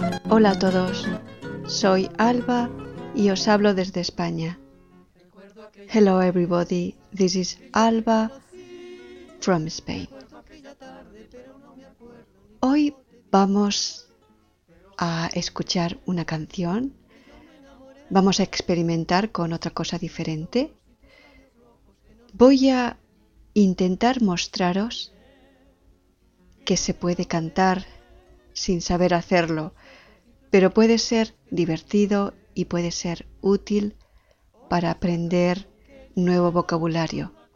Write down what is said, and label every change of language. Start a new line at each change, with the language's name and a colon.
Spanish: Hola a todos, soy Alba y os hablo desde España.
English: Hello everybody, this is Alba from Spain.
Spanish: Hoy vamos a escuchar una canción, vamos a experimentar con otra cosa diferente. Voy a intentar mostraros que se puede cantar sin saber hacerlo, pero puede ser divertido y puede ser útil para aprender nuevo vocabulario.